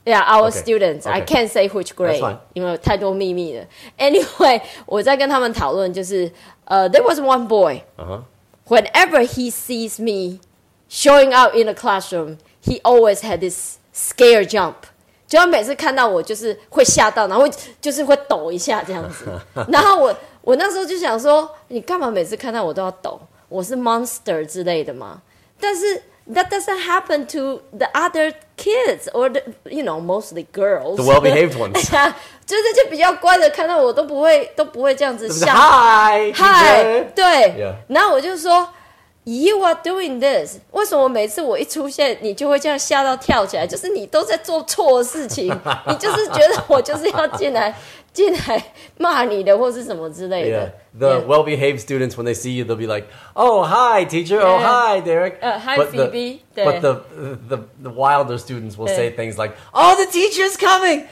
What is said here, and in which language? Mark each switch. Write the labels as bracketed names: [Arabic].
[English] Yeah, our students. Okay. I can't say which grade. That's fine. [Chinese] 因为太多秘密了。 [English] Anyway, [Chinese] 我在跟他们讨论就是 [English] there was one boy. Uh-huh. Whenever he sees me showing up in the classroom, he always had this scare jump. [Chinese] 就每次看到我就是会吓到，然后就是会抖一下这样子。然后我那时候就想说，你干嘛每次看到我都要抖？我是 monster 之类的吗？但是 [English] that doesn't happen to the other kids or the, you know, mostly girls. The well-behaved ones. [Chinese] 就是就比较乖的，看到我都不会这样子吓。 [English] Hi, hi. [Chinese] 对。 [English] Yeah. [Chinese] 然后我就说。 [English] You are doing this. [Chinese] 为什么每次我一出现，你就会这样吓到跳起来？就是你都在做错的事情，你就是觉得我就是要进来骂你的，或是什么之类的。 [English] Yeah. The yeah. well-behaved students, when they see you, they'll be like, "Oh, hi, teacher. Yeah. Oh, hi, Derek. Hi, but Phoebe." But the wilder students will say things like, "Oh, the teacher's coming.